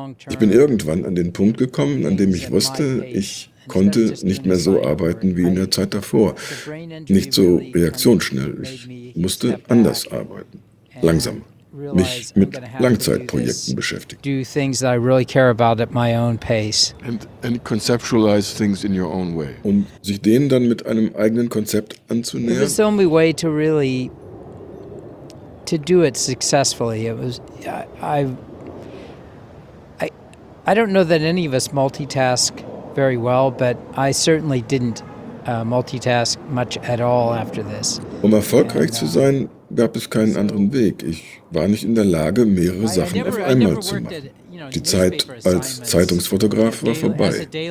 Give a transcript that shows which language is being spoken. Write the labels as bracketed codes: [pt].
[de] Ich bin irgendwann an den Punkt gekommen, an dem ich wusste, ich konnte nicht mehr so arbeiten wie in der Zeit davor. Nicht so reaktionsschnell. Ich musste anders arbeiten. Langsam. Mich mit Langzeitprojekten beschäftigen. [en] Do things that I really care about at my own pace. And conceptualize things in your own way. [de] Um sich denen dann mit einem eigenen Konzept anzunähern. [en] It was the only way to really to do it successfully. It was I don't know that any of us multitask very well, but I certainly didn't multitask much at all after this. [de] Um erfolgreich zu sein, gab es keinen anderen Weg. Ich war nicht in der Lage, mehrere Sachen auf einmal zu machen. Die Zeit als Zeitungsfotograf war vorbei.